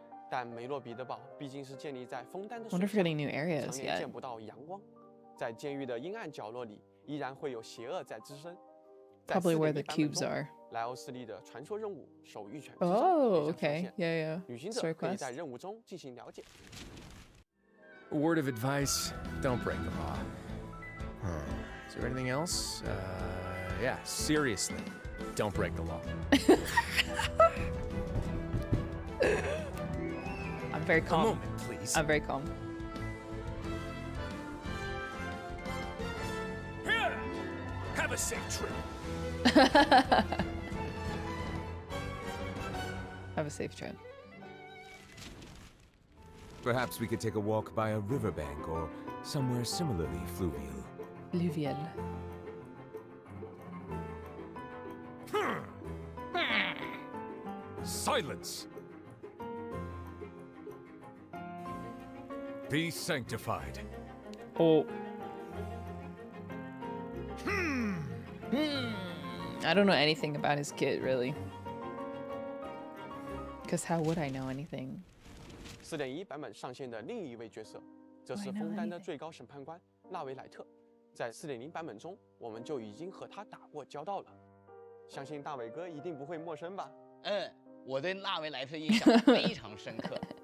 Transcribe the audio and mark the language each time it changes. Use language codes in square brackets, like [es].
[zh] 但梅洛彼得堡毕竟是建立在枫丹的水上，常年见不到阳光，在监狱的阴暗角落里依然会有邪恶在滋生。 [en] Probably where the cubes are. [zh] 莱欧斯利的传说任务守御犬。 [en] Oh, okay, yeah, yeah. [zh] 旅行者可以在任务中进行了解。 [en] A word of advice: don't break the law. Is there anything else? Yeah, seriously, don't break the law. Very calm. A moment, please. I'm very calm. Here! Have a safe trip. Have a safe trip. Perhaps we could take a walk by a riverbank or somewhere similarly fluvial. Fluvial. Silence! Be sanctified. Oh. I don't know anything about his kit, really. Because how would I know anything? [zh] 4.1 版本上线的另一位角色，这是枫丹的最高审判官纳维莱特。在 4.0 版本中，我们就已经和他打过交道了。相信大伟哥一定不会陌生吧？嗯，我对纳维莱特印象非常深刻。